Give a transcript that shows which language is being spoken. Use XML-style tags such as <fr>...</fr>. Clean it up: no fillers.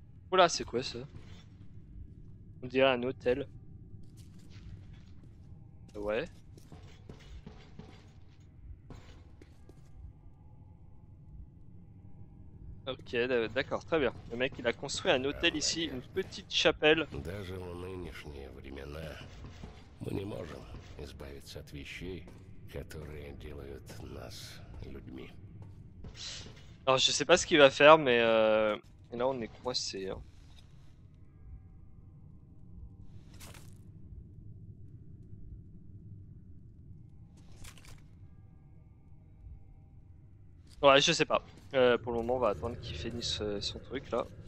<fr>Oula, c'est quoi ça? On dirait un hôtel. Ouais. Ok, d'accord, très bien. Le mec, il a construit un hôtel ici, une petite chapelle.</fr> <ru>Даже в нынешние времена мы не можем избавиться от вещей, которые делают нас людьми.</ru> <fr>Alors, je sais pas ce qu'il va faire, mais là on est coincé. Hein. Ouais, je sais pas. Pour le moment, on va attendre qu'il finisse son truc là.</fr>